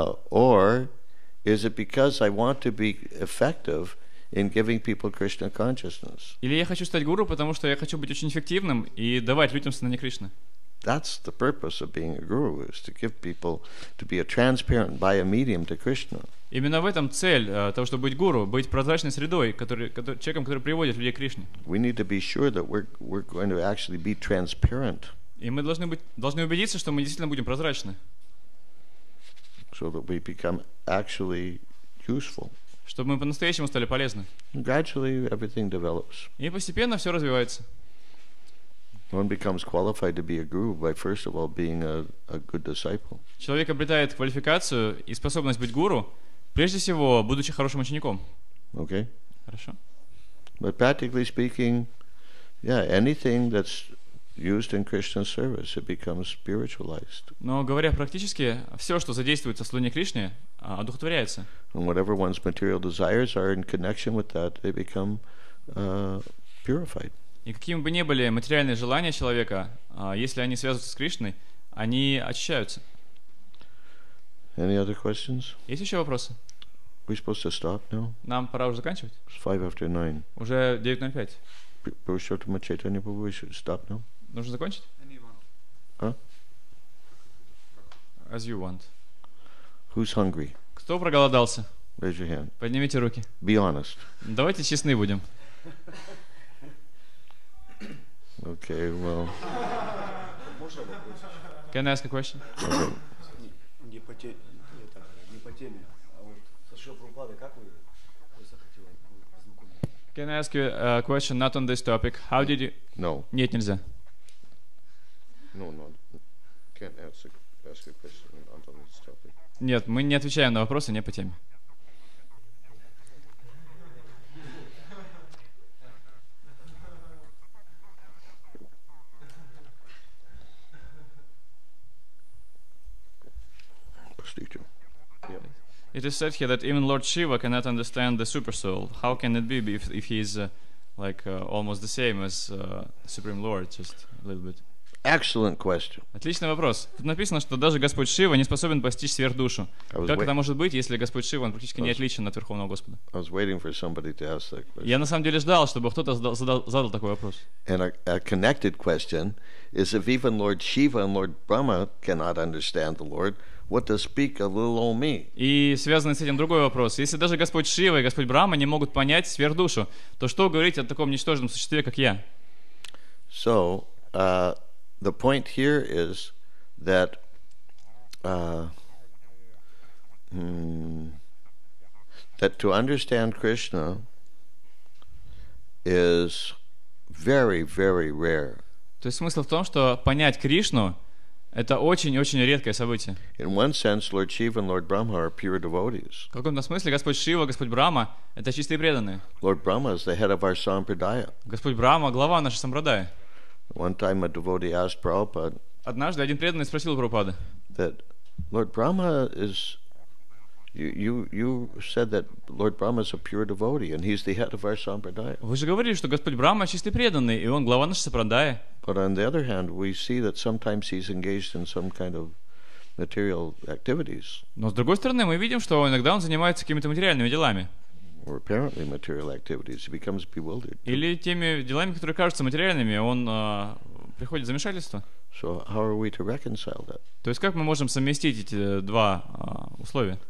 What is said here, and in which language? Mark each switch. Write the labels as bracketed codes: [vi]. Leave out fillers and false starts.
[en] Or is it because I want to be effective in giving people Krishna consciousness? [ru] Или я хочу стать гуру, потому что я хочу быть очень эффективным и давать людям сознание Кришны. [en] That's the purpose of being a guru, is to give people to be a transparent via medium to Krishna. [ru] Именно в этом цель того, чтобы быть гуру, быть прозрачной средой, человеком, который приводит людей к Кришне. [en] We need to be sure that we're going to actually be transparent. [ru] И мы должны убедиться, что мы действительно будем прозрачны. [en] So that we become actually useful. [ru] Чтобы мы по-настоящему стали полезны. [en] Gradually everything develops. [ru] И постепенно все развивается. [en] One becomes qualified to be a guru by first of all being a good disciple. [ru] Человек обретает квалификацию и способность быть гуру прежде всего будучи хорошим учеником. [en] Okay. [ru] Хорошо. [en] But practically speaking, yeah, anything that's used in Krishna service, it becomes spiritualized. [ru] Но говоря практически, все, что задействуется в служении Кришне, одухотворяется. [en] And whatever one's material desires are in connection with that, they become purified. [ru] И какими бы ни были материальные желания человека, если они связываются с Кришной, они очищаются. [en] Any other questions? [ru] Есть еще вопросы? [en] We supposed to stop now? [ru] Нам пора уже заканчивать? [en] It's 5:09. [ru] Уже 9:05. [en] We should stop now? [ru] Нужно закончить? [en] Anyone? Huh? As you want. Who's hungry? [ru] Кто проголодался? [en] Raise your hand. [ru] Поднимите руки. [en] Be honest. [ru] Давайте честны будем. [en] Okay, well. Can I ask a question? [ru] Не по теме, так, не по теме. А вот со Шрилой Прабхупадой, как вы захотели познакомиться? [en] Can I ask you a question not on this topic? How did you? No. [ru] Нет, нельзя. [en] No, no. Can't ask a question not on this topic. [ru] Нет, мы не отвечаем на вопросы не по теме. [en] It is said here that even Lord Shiva cannot understand the super soul. How can it be if he is almost the same as Supreme Lord, just a little bit? Excellent question. [ru] Отличный вопрос. Тут написано, что даже Господь Шива не способен постичь сверхдушу. Как это может быть, если Господь Шива, он практически не отличен от Верховного Господа? [en] I was waiting for somebody to ask that question. [ru] Я на самом деле ждал, чтобы кто-то задал такой вопрос. [en] And a connected question is if even Lord Shiva and Lord Brahma cannot understand the Lord, what to speak of little old me? [ru] И связанный с этим другой вопрос. Если даже Господь Шива и Господь Брама не могут понять сверхдушу, то что говорить о таком ничтожном существе, как я? [en] So, the point here is that that to understand Krishna is very, very rare. [ru] То есть смысл в том, что понять Кришну — это очень-очень редкое событие. [en] In one sense, Lord Shiva and Lord Brahma are pure devotees. [ru] В каком-то смысле Господь Шива, Господь Брахма — это чистые преданные. [en] Lord Brahma is the head of our sampradaya. [ru] Господь Брахма — глава нашей сампрадаи. [en] One time a devotee asked Prabhupada. [ru] Однажды один преданный спросил Прабхупады. [en] That Lord Brahma is you said that Lord Brahma is a pure devotee and he's the head of our sampradaya. [ru] Вы же говорили, что Господь Брахма чистый преданный, и он глава нашей сампрадаи. [en] But on the other hand, we see that sometimes he's engaged in some kind of material activities. [ru] Но с другой стороны, мы видим, что иногда он занимается какими-то материальными делами. [en] Or apparently material activities, he becomes bewildered. [ru] Или теми делами, которые кажутся материальными, он приходит в замешательство. [en] So how are we to reconcile that? [ru] То есть как мы можем совместить эти два условия?